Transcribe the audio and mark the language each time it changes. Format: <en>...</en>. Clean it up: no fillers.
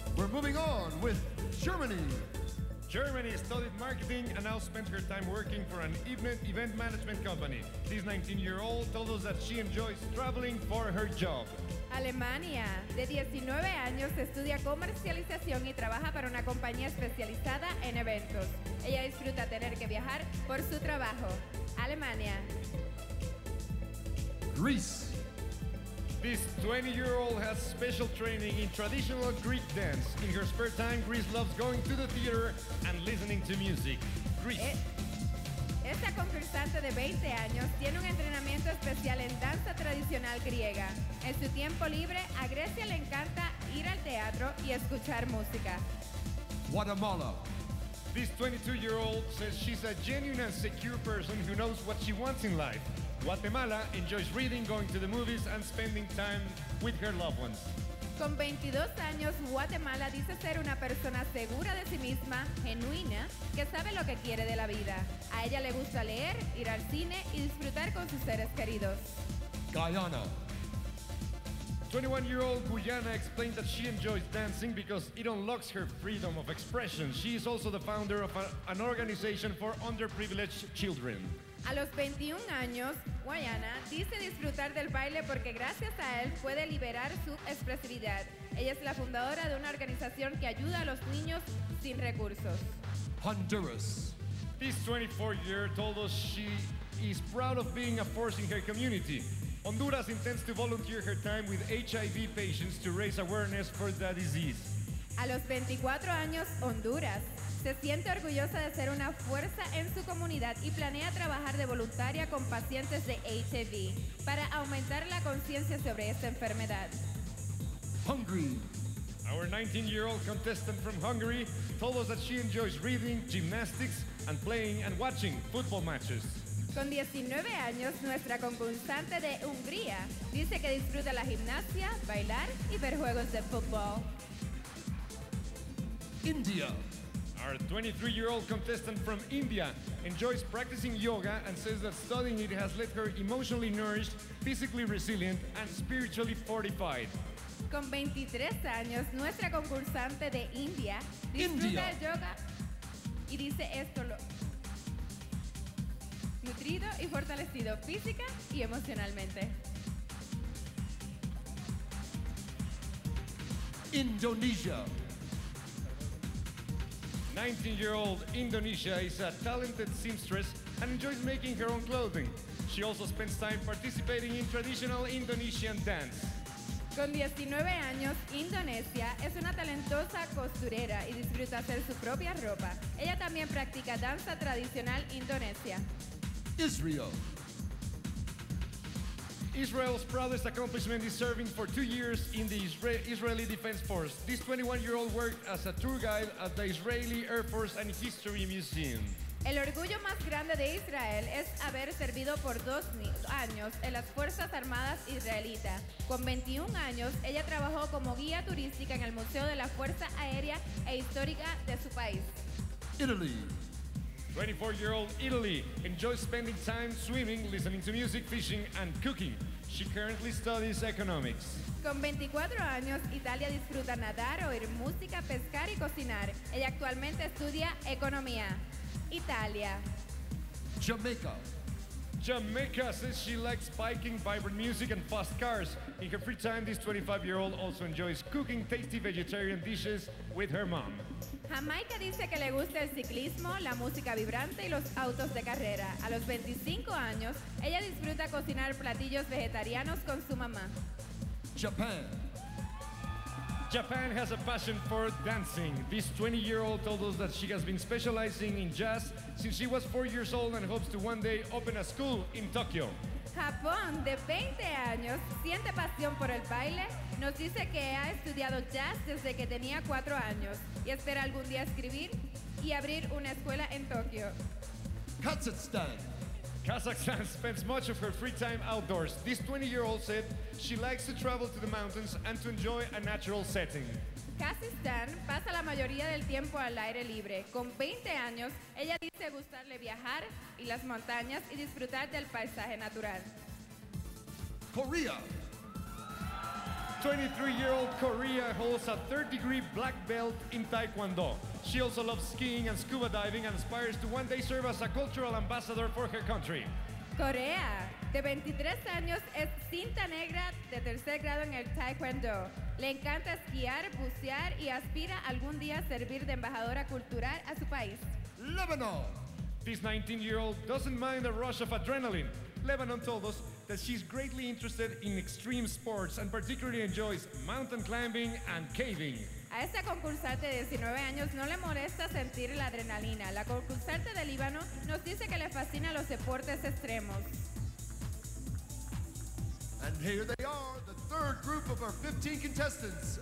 <en>Moving on with Germany. Germany studied marketing and now spent her time working for an event management company. This 19-year-old told us that she enjoys traveling for her job.</en> <es>Alemania, de 19 años, estudia comercialización y trabaja para una compañía especializada en eventos. Ella disfruta tener que viajar por su trabajo. Alemania.</es> <en>Greece. This 20-year-old has special training in traditional Greek dance. In her spare time, Greece loves going to the theater and listening to music. Greece.</en> <es>Esta concursante de 20 años tiene un entrenamiento especial en danza tradicional griega. En su tiempo libre, a Grecia le encanta ir al teatro y escuchar música.</es> <en>Guatemala. This 22-year-old says she's a genuine and secure person who knows what she wants in life. Guatemala enjoys reading, going to the movies, and spending time with her loved ones.</en> <es>Con 22 años, Guatemala dice ser una persona segura de sí misma, genuina, que sabe lo que quiere de la vida. A ella le gusta leer, ir al cine y disfrutar con sus seres queridos.</es> <en>Guyana. 21-year-old Guyana explains that she enjoys dancing because it unlocks her freedom of expression. She is also the founder of an organization for underprivileged children.</en> <es>A los 21 años, Guyana dice disfrutar del baile porque gracias a él puede liberar su expresividad. Ella es la fundadora de una organización que ayuda a los niños sin recursos.</es> <en>Honduras. This 24-year-old told us she is proud of being a force in her community. Honduras intends to volunteer her time with HIV patients to raise awareness for the disease.</en> <es>A los 24 años, Honduras se siente orgullosa de ser una fuerza en su comunidad y planea trabajar de voluntaria con pacientes de HIV para aumentar la conciencia sobre esta enfermedad.</es> <en>Hungary. Our 19-year-old contestant from Hungary told us that she enjoys reading, gymnastics, and playing and watching football matches.</en> <es>Con 19 años, nuestra concursante de Hungría dice que disfruta la gimnasia, bailar y ver juegos de fútbol.</es> <en>India. Our 23-year-old contestant from India enjoys practicing yoga and says that studying it has left her emotionally nourished, physically resilient, and spiritually fortified.</en> <es>Con 23 años, nuestra concursante de India disfruta el yoga y dice esto lo... nutrido y fortalecido física y emocionalmente.</es> <en>Indonesia. 19-year-old Indonesia is a talented seamstress and enjoys making her own clothing. She also spends time participating in traditional Indonesian dance.</en> <es>Con 19 años, Indonesia es una talentosa costurera y disfruta hacer su propia ropa. Ella también practica danza tradicional indonesia.</es> <en>Israel. Israel's proudest accomplishment is serving for 2 years in the Israeli Defense Force. This 21-year-old worked as a tour guide at the Israeli Air Force and History Museum.</en> <es>El orgullo más grande de Israel es haber servido por 2 años en las Fuerzas Armadas Israelitas. Con 21 años, ella trabajó como guía turística en el Museo de la Fuerza Aérea e Histórica de su país.</es> <en>Italy. 24-year-old Italy enjoys spending time swimming, listening to music, fishing, and cooking. She currently studies economics.</en> <es>Con 24 años, Italia disfruta nadar, oír música, pescar y cocinar. Ella actualmente estudia economía. Italia.</es> <en>Jamaica says she likes biking, vibrant music, and fast cars. In her free time, this 25-year-old also enjoys cooking tasty vegetarian dishes with her mom.</en> <es>Jamaica dice que le gusta el ciclismo, la música vibrante y los autos de carrera. A los 25 años, ella disfruta cocinar platillos vegetarianos con su mamá.</es> <en>Japan has a passion for dancing. This 20-year-old told us that she has been specializing in jazz since she was 4 years old and hopes to one day open a school in Tokyo.</en> <es>Japón, de 20 años, siente pasión por el baile. Nos dice que ha estudiado jazz desde que tenía 4 años y espera algún día escribir y abrir una escuela en Tokio.</es> <en>Kazakhstan spends much of her free time outdoors. This 20-year-old said she likes to travel to the mountains and to enjoy a natural setting.</en> <es>Kazakhstan pasa la mayoría del tiempo al aire libre. Con 20 años, ella dice gustarle viajar y las montañas y disfrutar del paisaje natural.</es> <en>Korea. 23-year-old Korea holds a third-degree black belt in Taekwondo. She also loves skiing and scuba diving and aspires to one day serve as a cultural ambassador for her country.</en> <es>Korea, de 23 años, es cinta negra de tercer grado en el Taekwondo. Le encanta esquiar, bucear y aspira algún día a servir de embajadora cultural a su país.</es> <en>Lebanon. This 19-year-old doesn't mind the rush of adrenaline. Lebanon told us that she's greatly interested in extreme sports and particularly enjoys mountain climbing and caving.</en> <es>A esta concursante de 19 años no le molesta sentir la adrenalina. La concursante de Líbano nos dice que le fascina los deportes extremos.</es> <en>And here they are, the third group of our 15 contestants.</en>